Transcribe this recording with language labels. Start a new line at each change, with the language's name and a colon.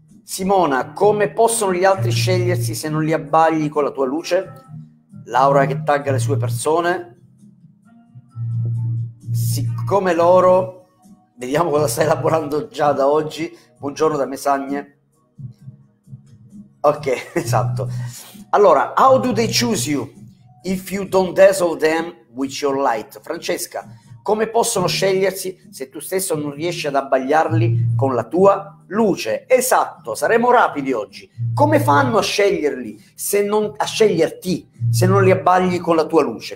Italian: Simona, come possono gli altri scegliersi se non li abbagli con la tua luce? Laura che tagga le sue persone. Siccome loro, vediamo cosa stai elaborando già da oggi. Buongiorno da Mesagne. Ok, esatto. Allora,
English: how do they choose you if you don't dazzle them with your light? Francesca,
Italian: come possono scegliersi se tu stesso non riesci ad abbagliarli con la tua luce. Esatto, saremo rapidi oggi. Come fanno a sceglierli se non a sceglierti se non li abbagli con la tua luce?